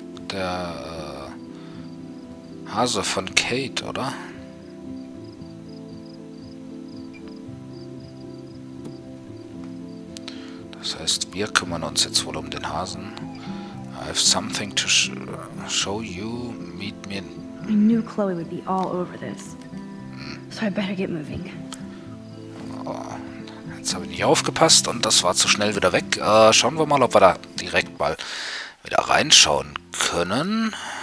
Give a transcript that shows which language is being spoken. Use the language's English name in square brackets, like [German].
[German] Der Hase von Kate, oder? Das heißt, wir kümmern uns jetzt wohl um den Hasen. [English] I have something to show you. Meet me in. I knew Chloe would be all over this. So I better get moving. Oh, that [German] Jetzt habe ich nicht aufgepasst und das war zu schnell wieder weg. Schauen wir mal, ob wir da direkt mal wieder reinschauen können.